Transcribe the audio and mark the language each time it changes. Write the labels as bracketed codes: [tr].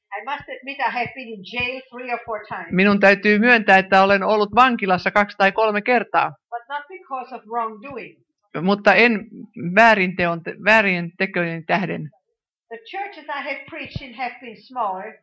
[en] I must admit I have been in jail 3 or 4 times. [fi] Minun täytyy myöntää, että olen ollut vankilassa 2 tai 3 kertaa. [en] But not because of wrongdoing. [fi] Mutta en väärien tekojen tähden. [en] The churches I have preached in have been small.